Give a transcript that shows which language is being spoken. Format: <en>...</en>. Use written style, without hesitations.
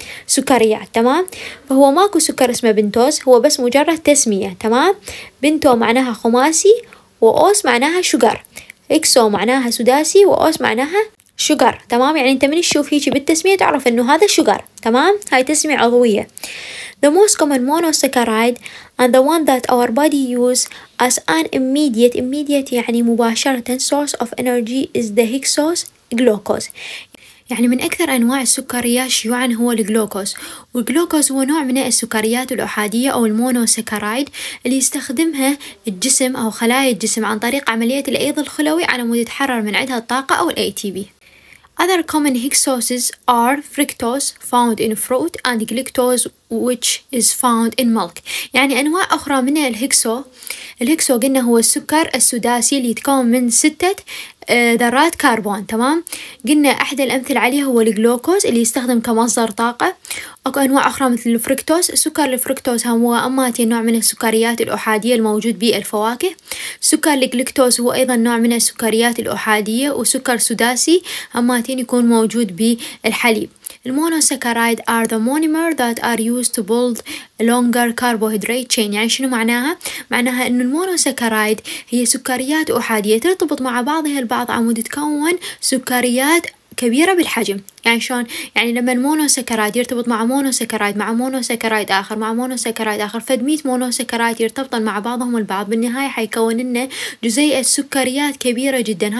<ar>سكريات، تمام؟ فهو ماكو سكر اسمه بنتوز، هو بس مجرد تسمية، تمام؟ بنتو معناها خماسي، وأوس معناها شجر، إكسو معناها سداسي، وأوس معناها شجر، تمام؟ يعني أنت من تشوف هيك بالتسمية تعرف إنه هذا شجر، تمام؟ هاي تسمية عضوية.</ar> <en>The most common monosaccharide and the one that our body use as an immediate</en> <ar>يعني مباشرة</ar> <en>source of energy is the hexose glucose.</en> <ar>يعني من أكثر أنواع السكريات شيوعاً هو الجلوكوز، والجلوكوز هو نوع من السكريات الأحادية أو المونوسكرايد اللي يستخدمها الجسم أو خلايا الجسم عن طريق عملية الأيض الخلوي على مود يتحرر من عندها الطاقة أو الـ ATP.</ar> <en>Other common hexoses are fructose found in fruit and glucose which is found in milk.</en> <ar>يعني أنواع أخرى من الهكسو، الهكسو قلنا هو السكر السداسي اللي يتكون من 6 ذرات كربون، تمام؟ قلنا أحد الأمثلة عليها هو الجلوكوز اللي يستخدم كمصدر طاقة. أكو أنواع أخرى مثل الفركتوز، سكر الفركتوز هو أما نوع من السكريات الأحادية الموجود بالفواكه، سكر الجلوكوز هو أيضا نوع من السكريات الأحادية، وسكر سداسي أما يكون موجود بالحليب.</ar> <en>المونوسكرايد are the monomer that are used to build longer carbohydrate chain.</en> <ar>يعني شنو معناها؟ معناها إنه المونوسكرايد هي سكريات أحادية ترتبط مع بعضها البعض عمود تكون سكريات كبيرة بالحجم، يعني شلون؟ يعني لما المونوسكرايد يرتبط مع مونوسكرايد مع مونوسكرايد آخر مع مونوسكرايد آخر، فدميت مونوسكرايد يرتبطن مع بعضهم البعض، بالنهاية حيكون لنا جزيئة سكريات كبيرة جدا.</ar>